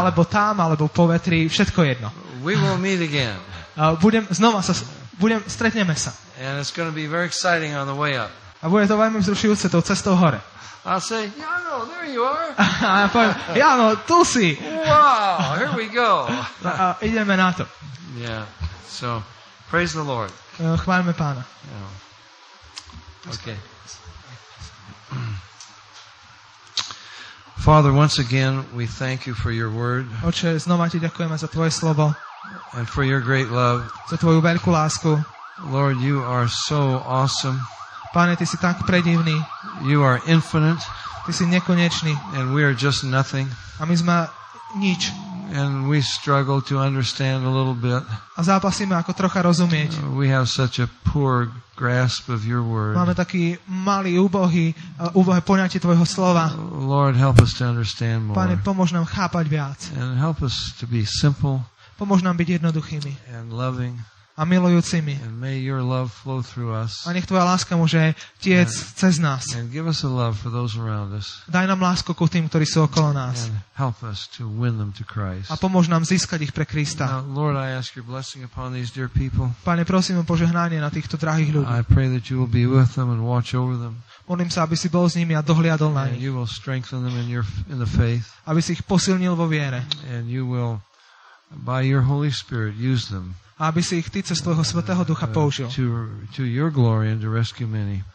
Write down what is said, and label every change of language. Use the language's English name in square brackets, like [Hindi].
[Slovak] Alebo tam, alebo po vetri, všetko jedno. [English] We will meet again. [Slovak] Stretneme sa. [English] And it's going to be very exciting on the way up. [Slovak] A bude to veľmi vzrušujúce tou cestou hore. [English] I'll say, Jano, there you are. [Slovak] A ja poviem, Jano, tu si. [English] Wow, here we go. [Slovak] Ideme na to. [English] Yeah, so, praise the Lord. [Slovak] Chváľme Pána. [English] Yeah. Okay. Father, once again, we thank you for your word. [Slovak] Oče, znova ti ďakujeme za tvoje slovo. [English] And for your great love. [Slovak] Za tvoju veľkú lásku. [English] Lord, you are so awesome. [Slovak] Pane, ty si tak predivný. [English] You are infinite. [Slovak] Ty si nekonečný. [English] And we are just nothing. [Slovak] A my sme nič. [English] And we struggle to understand a little bit. [Slovak] A zápasíme ako trocha rozumieť. [English] We have such a poor grasp of your word. [Slovak] Máme taký malý, úbohé poňatie tvojho slova. [English] Lord, help us to understand more. [Slovak] Pane, pomôž nám chápať viac. [English] And help us to be simple. [Slovak] Pomôž nám byť jednoduchými. [English] And loving. [Slovak] A milujúcimi. [English] And may your love flow through us. [Slovak] A nech tvoja láska môže tiec cez nás. [English] And give us a love for those around us. [Slovak] Daj nám lásku ku tým, ktorí sú okolo nás. [English] And help us to win them to Christ. [Slovak] A pomôž nám získať ich pre Krista. [English] Now, Lord, I ask your blessing upon these dear people. [Slovak] Pane, prosím o požehnanie na týchto drahých ľudí. [English] I pray that you will be with them and watch over them. [Slovak] Modlím sa, aby si bol s nimi a dohliadol na nich. [English] You will strengthen them in the faith. [Slovak] Aby si ich posilnil vo viere. [English] And you will, by your Holy Spirit, use them. [Slovak] A aby si ich ty cez tvojho svätého ducha použil. [English] To your glory and to rescue many.